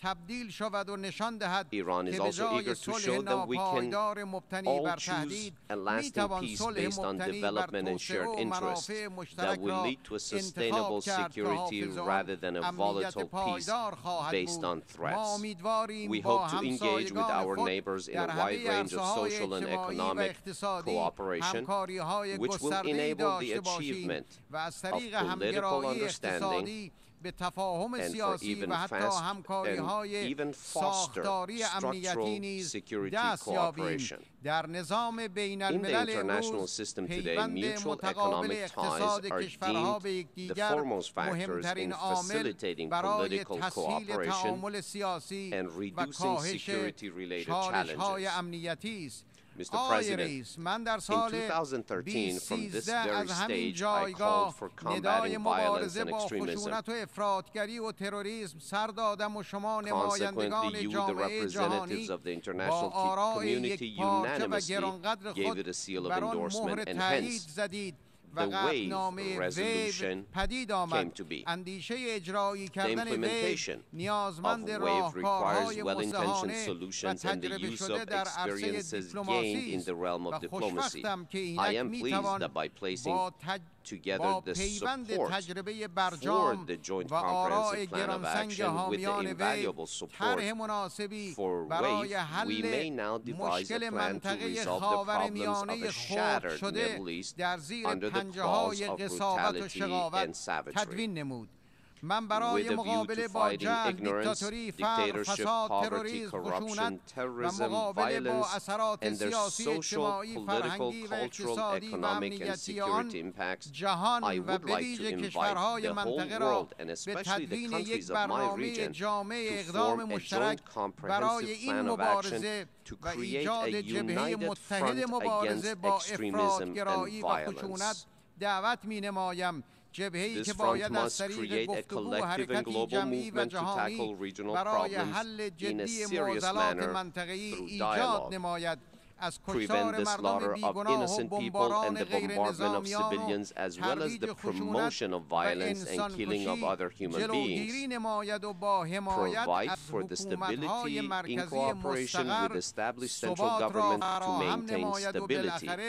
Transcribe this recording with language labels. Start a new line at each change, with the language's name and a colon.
English: Iran is also eager to show that we can all choose a lasting peace based on development and shared interests that will lead to a sustainable security rather than a volatile peace based on threats. We hope to engage with our neighbors in a wide range of social and economic cooperation, which will enable the achievement of political understanding
Persian: به تفاهم سیاسی و حتی همکاری‌های ساختاری امنیتی نیز دست یابیم. در نظام بین‌الملل امروز پیوند متقابل اقتصاد کشورها به یکدیگر مهمترین عامل برای تسهیل تعامل سیاسی و کاهش چالش‌های امنیتی است.
English: Mr. President, in 2013, from this very stage, I called for combating violence and extremism. Consequently, you, the representatives of the international community, unanimously gave it a seal of endorsement, and hence the WAVE resolution came to be. The implementation of WAVE requires well-intentioned solutions and the use of experiences gained in the realm of diplomacy. I am pleased that by placing together the support for the Joint Comprehensive Plan of Action with the invaluable support for WAVE, we may now devise a plan to resolve the problems of a shattered Middle East under the cause of brutality and savagery.
Persian: من برای مقابله با جهل، دیکتاتوری، فقر، فساد، تروریسم، خشونت و مقابله با اثرات سیاسی، اجتماعی، فرهنگی و اقتصادی و امنیتی آن جهان و به‌ویژه کشورهای منطقه را به تدوین یک برنامه جامع اقدام مشترک برای این مبارزه و ایجاد جبهه متحد مبارزه با افراط‌گرایی و خشونت دعوت می‌نمایم.
English: This front must create a collective and global movement to tackle regional problems in a serious manner through dialogue, prevent the slaughter of innocent people and the bombardment of civilians, as well as the promotion of violence and killing of other human beings, provide for the stability in cooperation with established central government to maintain stability.